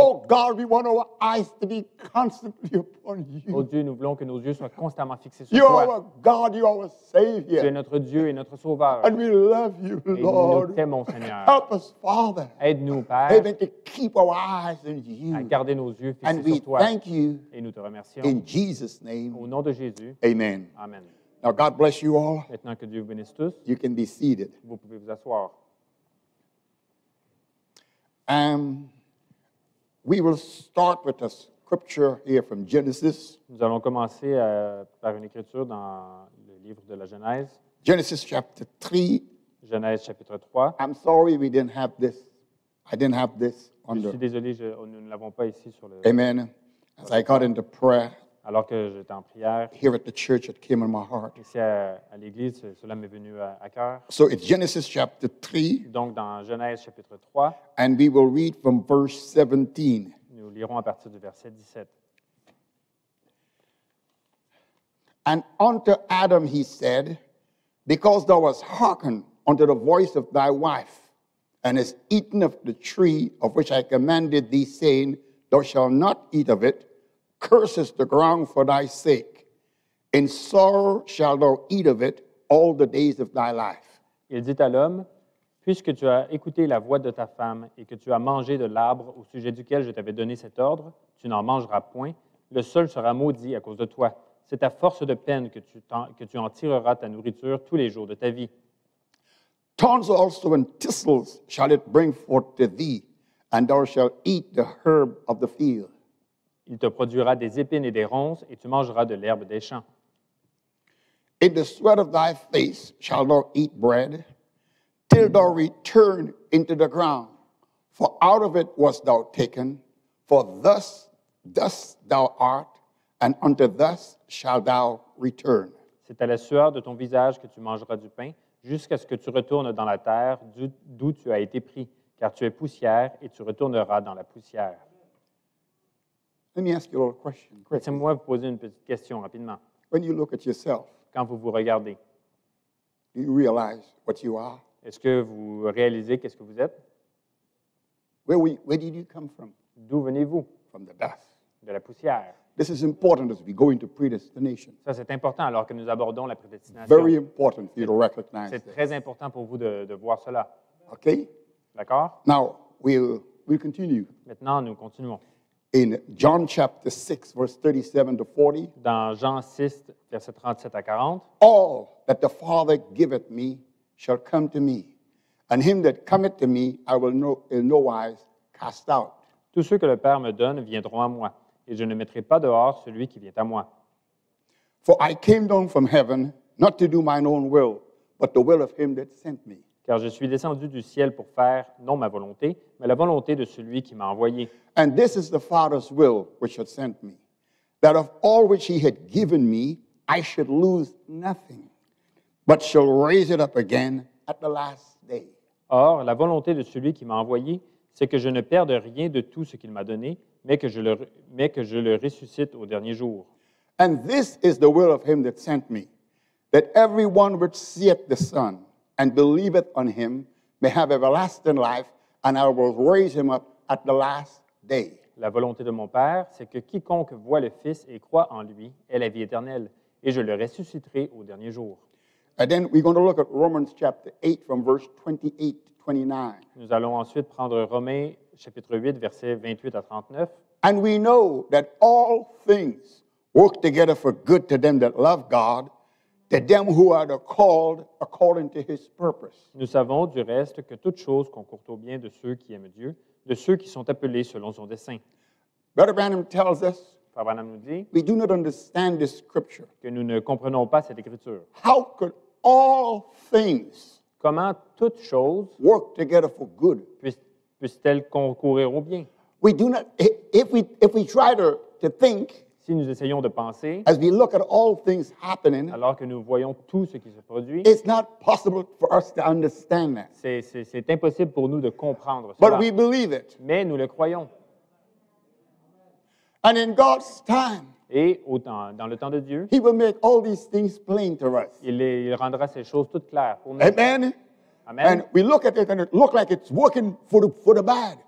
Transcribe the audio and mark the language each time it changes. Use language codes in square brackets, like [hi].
[en] Oh God, we want our eyes to be constantly upon you. [fr] Oh Dieu, nous voulons que nos yeux soient constamment fixés sur [en] you [fr] toi. [en] You are our God, you are our Savior. [fr] Tu es notre Dieu et notre Sauveur. [en] And we love you, [fr] et [en] Lord. [fr] Nous t'aimons, Seigneur. [en] Help us, Father. [fr] Aide-nous, Père. [en] Amen. To keep our eyes on you. [fr] À garder nos yeux fixés [en] and [fr] sur toi. [en] And we thank you. [fr] Et nous te remercions. [en] In Jesus' name. [fr] Au nom de Jésus. [en] Amen. [fr] Amen. [en] Now God bless you all. [fr] Maintenant que Dieu vous bénisse tous. [en] You can be seated. [fr] Vous pouvez vous asseoir. [en] We will start with a scripture here from Genesis. [fr] Nous allons commencer par une écriture dans le livre de la Genèse. [en] Genesis chapter 3. [fr] Genèse chapitre 3. [en] I'm sorry we didn't have this. I didn't have this on the. [fr] Je suis désolé, nous ne l'avons pas ici sur le. [en] Amen. As I got into prayer. [fr] Alors que j'étais en prière. [en] Here at the church, it came in my heart. [fr] Ici à l'église, cela m'est venu à cœur. [en] So it's Genesis chapter 3. [fr] Donc dans Genèse chapitre 3. [en] And we will read from verse 17. [fr] Nous lirons à partir du verset 17. [en] And unto Adam he said, because thou hast hearkened unto the voice of thy wife, and hast eaten of the tree of which I commanded thee, saying, thou shalt not eat of it, curses the ground for thy sake. In sorrow shalt thou eat of it all the days of thy life. [fr] Il dit à l'homme, puisque tu as écouté la voix de ta femme et que tu as mangé de l'arbre au sujet duquel je t'avais donné cet ordre, tu n'en mangeras point, le sol sera maudit à cause de toi. C'est à force de peine que tu en tireras ta nourriture tous les jours de ta vie. [en] Thorns also and thistles shall it bring forth to thee, and thou shalt eat the herb of the field. [fr] Il te produira des épines et des ronces, et tu mangeras de l'herbe des champs. [en] In the sweat of thy face shalt thou eat bread, till thou return into the ground, for out of it wast thou taken, for thus dost thou art, and unto thus shalt thou return. [fr] C'est à la sueur de ton visage que tu mangeras du pain, jusqu'à ce que tu retournes dans la terre d'où tu as été pris, car tu es poussière, et tu retourneras dans la poussière. [en] Let me ask you a little question. [fr] Laissez-moi vous poser une petite question rapidement. [en] When you look at yourself, [fr] quand vous vous regardez, [en] do you realize what you are? [fr] Est-ce que vous réalisez qu'est-ce que vous êtes? [en] Where did you come from? [fr] D'où venez-vous? [en] From the dust. [fr] De la poussière. [en] This is important as we go into predestination. [fr] Ça, c'est important alors que nous abordons la prédestination. [en] Very important for you to recognize. [fr] C'est très important pour vous de voir cela. [en] Okay. [fr] D'accord. [en] Now we'll continue. [fr] Maintenant, nous continuons. [en] In John chapter 6, verse 37 to 40. [fr] Dans Jean 6, verset 37 à 40. [en] All that the Father giveth me shall come to me, and him that cometh to me I will in no wise cast out. [fr] Tous ceux que le Père me donne viendront à moi, et je ne mettrai pas dehors celui qui vient à moi. [en] For I came down from heaven not to do mine own will, but the will of him that sent me. [fr] car je suis descendu du ciel pour faire non ma volonté, mais la volonté de celui qui m'a envoyé. [en] And this is the Father's will which had sent me, that of all which he had given me, I should lose nothing, but shall raise it up again at the last day. [fr] Or, la volonté de celui qui m'a envoyé, c'est que je ne perde rien de tout ce qu'il m'a donné, mais que je le ressuscite au dernier jour. [en] And this is the will of him that sent me, that everyone which seeth the Son and believeth on him may have everlasting life, and I will raise him up at the last day. [fr] La volonté de mon Père, c'est que quiconque voit le Fils et croit en lui ait la vie éternelle, et je le ressusciterai au dernier jour. [en] And then we're going to look at Romans chapter 8 from verse 28 to 29. [fr] Nous allons ensuite prendre Romains chapitre 8 versets 28 à 39. [en] And we know that all things work together for good to them that love God, to them who are called according to his purpose. [fr] Nous savons du reste que toutes choses concourent au bien de ceux qui aiment Dieu, de ceux qui sont appelés selon son dessein. [en] Brother Branham tells us, we do not understand this scripture. [fr] Que nous ne comprenons pas cette écriture. [en] How could all things [fr] comment toutes choses [en] work together for good? [fr] Puissent-elles concourir au bien? [en] We do not, if we try to think, [fr] si nous essayons de penser, [en] as we look at all things happening, [fr] alors que nous voyons tout ce qui se produit, [en] it's not possible for us to understand that. [fr] C'est impossible pour nous de comprendre cela. [en] But we believe it. [fr] Mais nous le croyons. [en] And in God's time, [fr] et au temps, dans le temps de Dieu, [en] he will make all these things plain to us. [fr] Il rendra ces choses toutes claires pour nous. [en] Amen. [fr] Amen. [en] And we look at it and it looks like it's working for the bad.